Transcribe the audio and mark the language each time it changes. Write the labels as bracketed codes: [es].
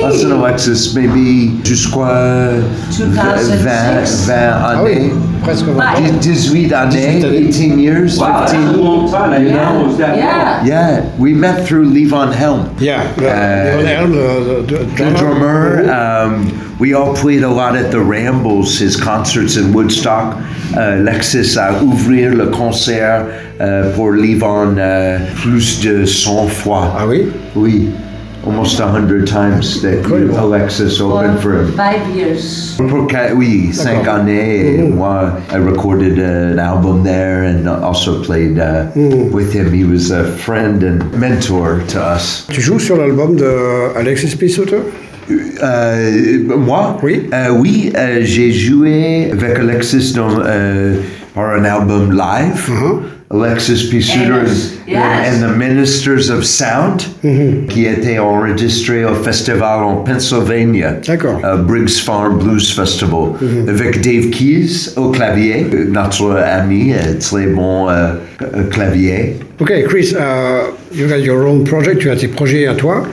[en] Us and Alexis, maybe [fr] jusqu'à 20 années. Ah oui. Presque 20 ans. 18 années, [en] 18 years, wow. Wow, that's a long time, you know? Yeah. Yeah, we met through Levon Helm. Yeah, Levon Helm, the drummer. We all played a lot at the Rambles, his concerts in Woodstock. [fr] Alexis a ouvrir le concert pour Levon plus de 100 fois. Ah oui? Oui, [en] almost 100 times that Alexis opened for him. 5 years. [fr] Oui, 5 années. Mm-hmm. Moi, [en] I recorded an album there and also played with him. He was a friend and mentor to us. [fr] Tu joues sur l'album de Alexis P. Suter? Moi? Oui. J'ai joué avec Alexis dans, par un album live. Mm-hmm. [en] Alexis P. Suter and the Ministers of Sound, mm-hmm. [fr] qui était enregistré au festival en Pennsylvania. D'accord. [en] Briggs Farm Blues Festival. Mm-hmm. [fr] Avec Dave Keys au clavier, notre ami, très bon clavier. [en] Ok, Chris, you got your own project, [fr] tu as tes projets à toi.